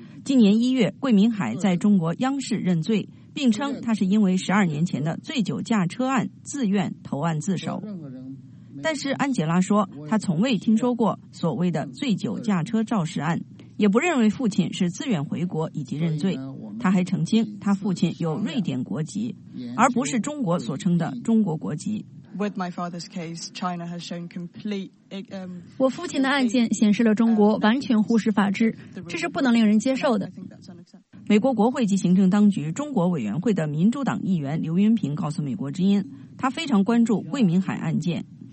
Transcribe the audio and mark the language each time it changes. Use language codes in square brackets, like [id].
[zh] 今年1月，桂明海在中国央视认罪，并称他是因为12年前的醉酒驾车案自愿投案自首。但是安杰拉说，他从未听说过所谓的醉酒驾车肇事案，也不认为父亲是自愿回国以及认罪。他还澄清，他父亲有瑞典国籍，而不是中国所称的中国国籍。 [en] With my father's case, China has shown complete. [zh] 我父亲的案件显示了中国完全忽视法治，这是不能令人接受的。美国国会及行政当局中国委员会的民主党议员刘云平告诉美国之音，他非常关注桂明海案件。